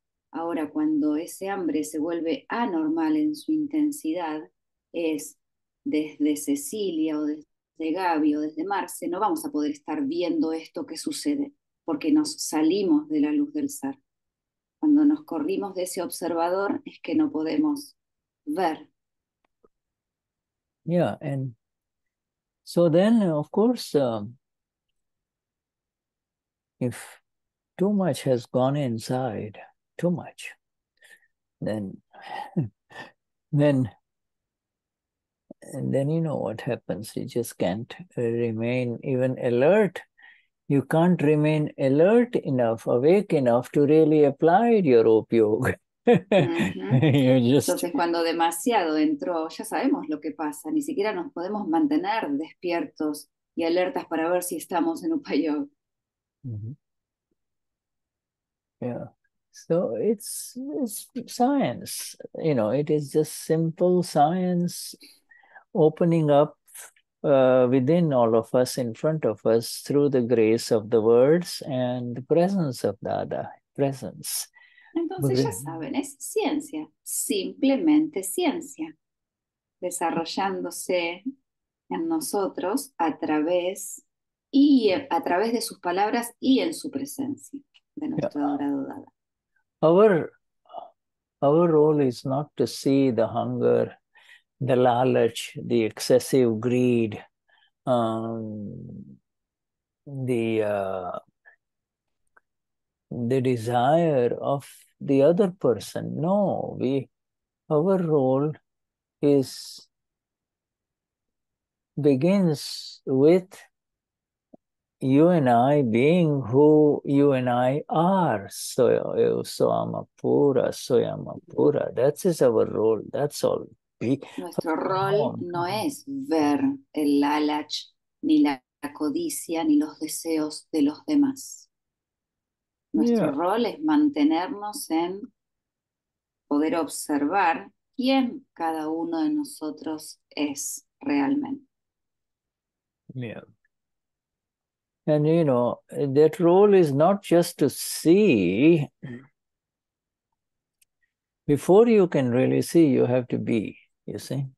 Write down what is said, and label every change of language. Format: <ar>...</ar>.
<es>Ahora, cuando ese hambre se vuelve anormal en su intensidad, es desde Cecilia o desde Gaby o desde Marce, no vamos a poder estar viendo esto que sucede, porque nos salimos de la luz del ser. Cuando nos corrimos de ese observador es que no podemos ver.</es> <en>Yeah, and so then, of course, if too much has gone inside, too much, then you know what happens. You just can't remain even alert. You can't remain alert enough, awake enough to really apply your upayoga. Mm-hmm.</en> <es>Entonces, cuando demasiado entró, ya sabemos lo que pasa. Ni siquiera nos podemos mantener despiertos y alertas para ver si estamos en upayoga. Mm-hmm. Yeah.</es> <en>So it's science, you know, it is just simple science opening up within all of us, in front of us, through the grace of the words and the presence of Dada, presence.</en> <es>Entonces ya saben, es ciencia, simplemente ciencia, desarrollándose en nosotros a través de sus palabras y en su presencia, de nuestro adorado Dada.</es> <en>Our role is not to see the hunger, the lalach, the excessive greed, the desire of the other person. No, our role begins with you and I being who you and I are. Soyama pura. That is our role. That's all.</en> <es>Nuestro rol no es ver el lalach, ni la codicia, ni los deseos de los demás. Nuestro rol es mantenernos en poder observar quién cada uno de nosotros es realmente. Yeah.</es> <en>And you know, that role is not just to see. Before you can really see, you have to be, you see?</en>